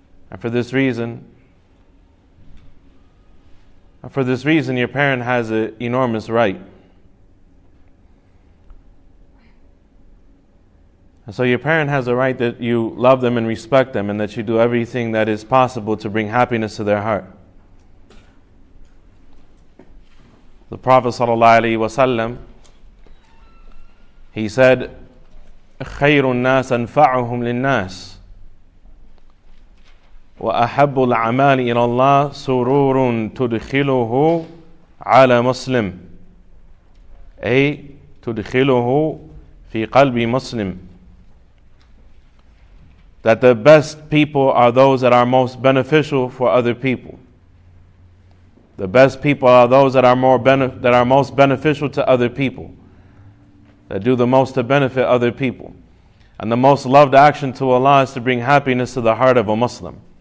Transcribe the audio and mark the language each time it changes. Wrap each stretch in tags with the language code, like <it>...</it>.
<en>And for this reason, your parent has an enormous right. And so your parent has a right that you love them and respect them and that you do everything that is possible to bring happiness to their heart. The Prophet sallallahu alaihi wasallam, he said,</en> <ar>خَيْرُ النَّاسَ أَنْفَعُهُمْ لِلنَّاسِ وَأَحَبُّ الْعَمَالِ إِلَى اللَّهِ سُرُورٌ تُدْخِلُهُ عَلَى مُسْلِمٍ أي تُدْخِلُهُ فِي قَلْبِ مُسْلِمٍ.</ar> <en>That the best people are those that are most beneficial for other people. The best people are those that are most beneficial to other people, that do the most to benefit other people. And the most loved action to Allah is to bring happiness to the heart of a Muslim.</en>